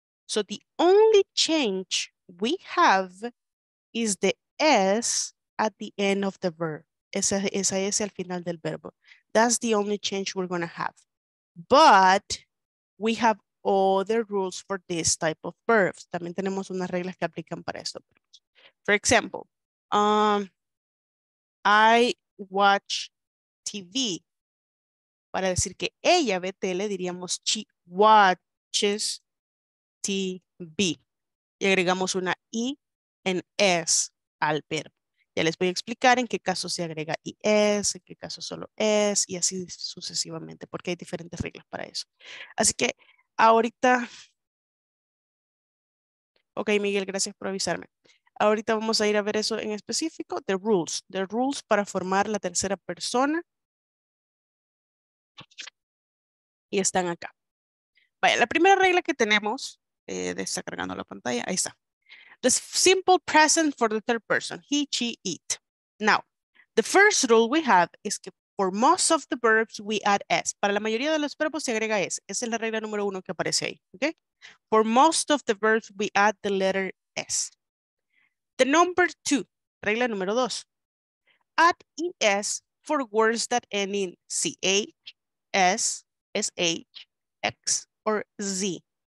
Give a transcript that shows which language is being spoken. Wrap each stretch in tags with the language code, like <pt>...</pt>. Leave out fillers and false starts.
<en>So the only change we have is the S at the end of the verb.</en> <es>Esa S al final del verbo.</es> <en>That's the only change we're going to have. But we have other rules for this type of verbs.</en> <es>También tenemos unas reglas que aplican para esto.</es> <en>For example, I watch TV.</en> <es>Para decir que ella ve tele, diríamos</es> <en>she watches TV.</en> <es>Y agregamos una I en S al verbo. Ya les voy a explicar en qué caso se agrega IS, en qué caso solo S y así sucesivamente, porque hay diferentes reglas para eso. Así que ahorita, ok Miguel, gracias por avisarme. Ahorita vamos a ir a ver eso en específico, the rules para formar la tercera persona. Y están acá. Vaya, la primera regla que tenemos, descargando la pantalla, ahí está.</es> <en>The simple present for the third person, he, she, it. Now, the first rule we have is que for most of the verbs we add S.</en> <es>Para la mayoría de los verbos se agrega S. Esa es la regla número uno que aparece ahí, ¿ok?</es> <en>For most of the verbs we add the letter S. The number two,</en> <es>regla número dos.</es> <en>Add ES for words that end in CH, S, SH, X, or Z.</en>